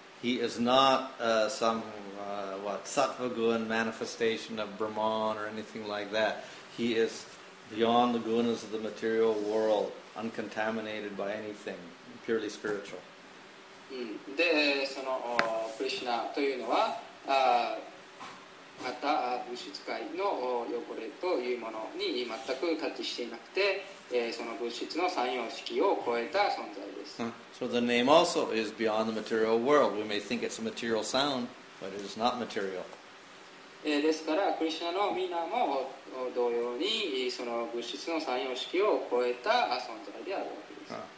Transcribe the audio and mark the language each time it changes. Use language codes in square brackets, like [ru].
[en] He is not some sattva guna manifestation of Brahman or anything like that. He is beyond the gunas of the material world, uncontaminated by anything, purely spiritual. [ja] で、そのクリシュナというのは。また物質界の汚れというものに全くタッチしていなくて、その物質の三様式を超えた存在です。 [en] So the name also is beyond the material world. We may think it's a material sound, but it is not material. [ja] ですから、クリシュナの皆も同様にその物質の三様式を超えた存在であるわけです。